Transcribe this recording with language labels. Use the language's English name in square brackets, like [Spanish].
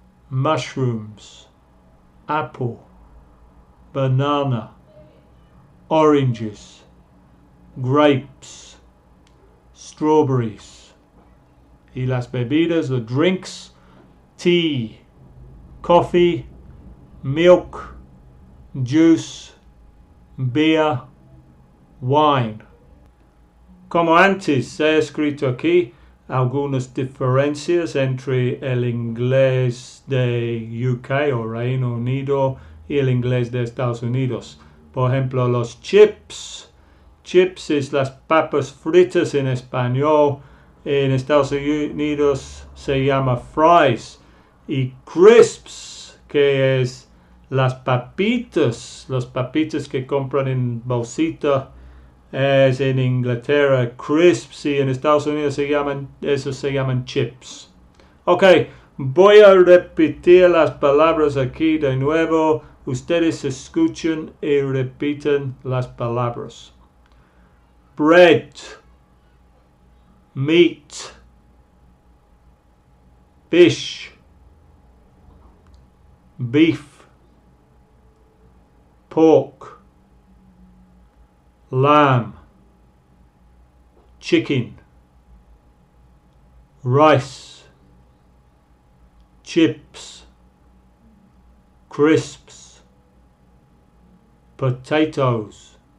[English] mushrooms, apple, banana, oranges, grapes, strawberries, [Spanish] y las bebidas, [English] the drinks, tea, coffee, milk, juice, beer, wine. [Spanish] Como antes, he escrito aquí algunas diferencias entre el inglés de UK o Reino Unido y el inglés de Estados Unidos. Por ejemplo, los chips. Chips es las papas fritas en español. En Estados Unidos se llama fries. Y crisps, que es las papitas. Las papitas que compran en bolsita. Es en Inglaterra, crisps, y en Estados Unidos se llaman chips. Ok, voy a repetir las palabras aquí de nuevo. Ustedes escuchan y repiten las palabras. [English] Bread, meat, fish, beef, pork, lamb, chicken, rice, chips, crisps, potatoes,